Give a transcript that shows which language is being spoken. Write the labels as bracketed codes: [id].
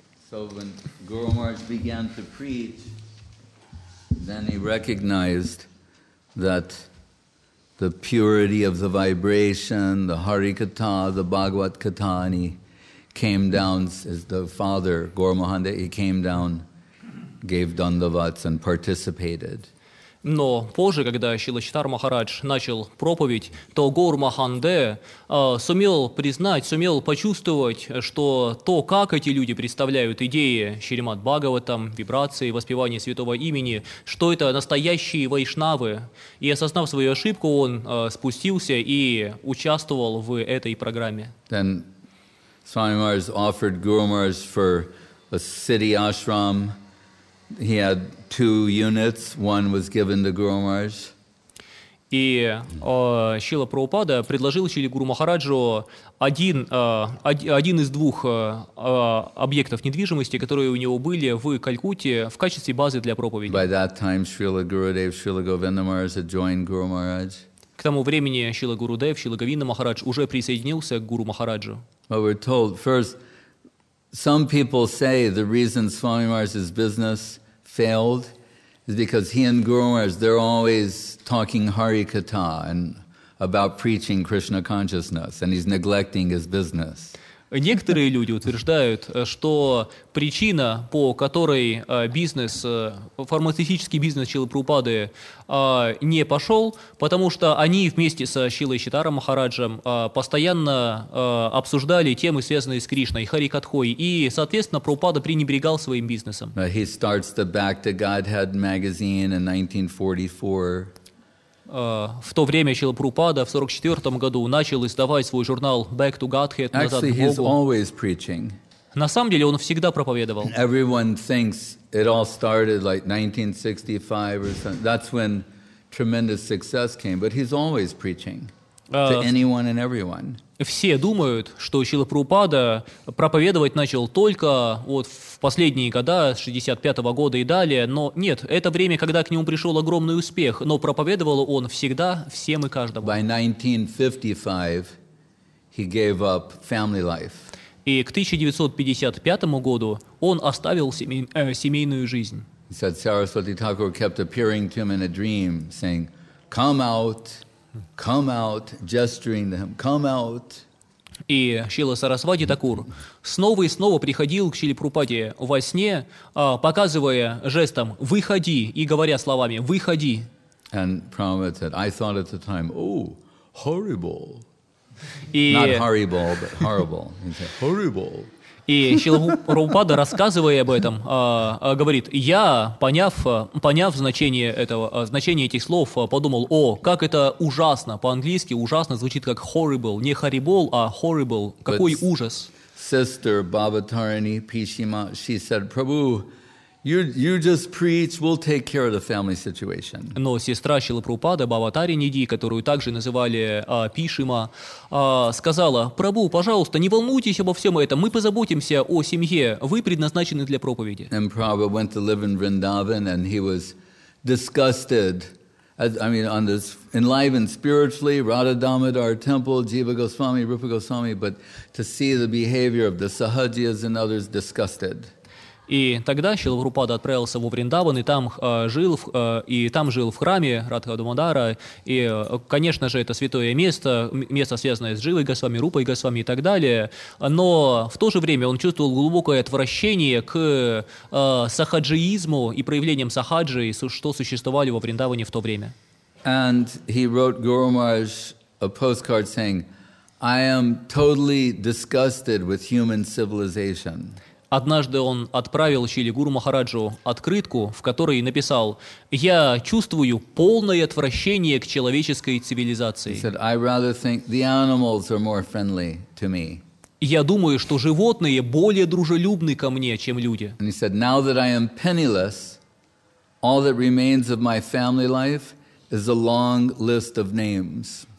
[en] So when Guru Maharaj began to preach, then he recognized that the purity of the vibration, the Harikatha, the Bhagavat Katha, and he came down as the father, Gaur Mohande, he came down, gave dandavats and participated. [ru] Но позже, когда Шрила Шитар Махарадж начал проповедь, то Гаур Маханде сумел почувствовать, что то, как эти люди представляют идеи Шримад Бхагаватам, вибрации, воспевания святого имени, что это настоящие вайшнавы. И осознав свою ошибку, он спустился и участвовал в этой программе. [en] Then Swami Maharaj offered Guru Maharaj for a city ashram. He had two units. One was given to Guru Maharaj. [ru] И Шрила Прабхупада предложил Шриле Гуру Махараджу один из двух объектов недвижимости, которые у него были в Калькутте, в качестве базы для проповеди. [en] By that time, Srila Gurudev, Srila Govinda Maharaj had joined Guru Maharaj. [ru] К тому времени Шрила Гурудев, Шрила Говинда Махарадж уже присоединился к Гуру Махараджу. [en] But we're told first. Some people say the reason Swami Maharaj's business failed is because he and Guru Maharaj, they're always talking Harikatha and about preaching Krishna consciousness, and he's neglecting his business. [ru] Некоторые люди утверждают, что причина, по которой бизнес, фармацевтический бизнес Шрилы Прабхупады не пошел, потому что они вместе со Шрилой Шитаром Махараджем постоянно обсуждали темы, связанные с Кришной, Харикатхой, и, соответственно, Прабхупада пренебрегал своим бизнесом. [en] He starts the Back to Godhead magazine in 1944. [ru] В то время Шрила Прабхупада в 44 году начал издавать свой журнал «Back to Godhead», «Назад к Богу». [en] Actually, he's always preaching. [ru] На самом деле, он всегда проповедовал. [en] Everyone thinks it all started like 1965 or something. That's when tremendous success came. But he's always preaching to anyone and everyone. [ru] Все думают, что Шрила Прабхупада проповедовать начал только вот в последние года, с 65-го года и далее, но нет, это время, когда к нему пришел огромный успех, но проповедовал он всегда, всем и каждому. [en] By 1955, he gave up family life. [ru] И к 1955 году он оставил семейную жизнь. [en] He said Saraswati Thakur kept appearing to him in a dream, saying, "Come out, come out," gesturing to him, "Come out." [ru] И Шрила Сарасвати Такур снова и снова приходил к Шриле Прабхупаде во сне, показывая жестом «выходи» и говоря словами «выходи». [en] And Prabhupada said, I thought at the time, oh, horrible. Not horrible, but horrible. He said, horrible. [ru] И Шрила Прабхупада, рассказывая об этом, говорит, я, поняв значение этого, значение этих слов, подумал, о, как это ужасно, по-английски ужасно звучит как horrible, не horrible, а horrible, какой [en] But [ru] ужас. [en] Sister Bhavatarini Pishima, she said, Prabhu, you just preach, we'll take care of the family situation. [ru] Но сестра Шрила Прабхупада, Бхаватарини Ди, которую также называли Пишима, сказала, Прабу, пожалуйста, не волнуйтесь обо всем этом, мы позаботимся о семье, вы предназначены для проповеди. [en] And Prabhu went to live in Vrindavan, and he was disgusted, on this, enlivened spiritually, Radha Damodar temple, Jiva Goswami, Rupa Goswami, but to see the behavior of the Sahajiyas and others, disgusted. [ru] И тогда Шрила Прабхупада отправился во Вриндаван, и там жил в храме Радха Дамодара. И, конечно же, это святое место, место, связанное с Дживой Госвами, Рупой Госвами и так далее. Но в то же время он чувствовал глубокое отвращение к сахаджиизму и проявлениям сахаджи, что существовали во Вриндаване в то время. [en] And he wrote Guru Maharaj a postcard saying, I am totally disgusted with human civilization. [ru] Однажды он отправил Шриле Гуру Махараджу открытку, в которой написал: «Я чувствую полное отвращение к человеческой цивилизации». [en] He said, I rather think the animals are more friendly to me. [ru] Я думаю, что животные более дружелюбны ко мне, чем люди. [en] And he said, now that I am penniless, all that remains of my family life is a long list of names.